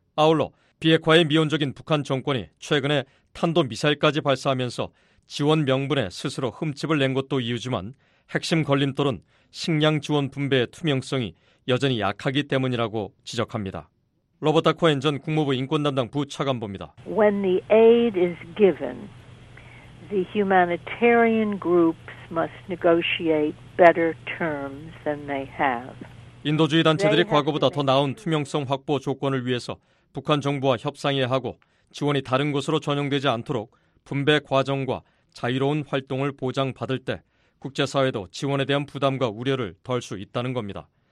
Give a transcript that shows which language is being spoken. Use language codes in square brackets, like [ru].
[ko] 아울러 비핵화에 미온적인 북한 정권이 최근에 탄도미사일까지 발사하면서 지원 명분에 스스로 흠집을 낸 것도 이유지만 핵심 걸림돌은 식량 지원 분배의 투명성이 여전히 약하기 때문이라고 지적합니다. 로버타 코엔 전 국무부 인권담당 부차관보입니다. [en] When the aid is given, the humanitarian groups must negotiate better terms than they have. [ko] 인도주의 단체들이 과거보다 더 나은 투명성 확보 조건을 위해서 북한 정부와 협상해야 하고 지원이 다른 곳으로 전용되지 않도록 분배 과정과 자유로운 활동을 보장받을 때 국제사회도 지원에 대한 부담과 우려를 덜 수 있다는 겁니다.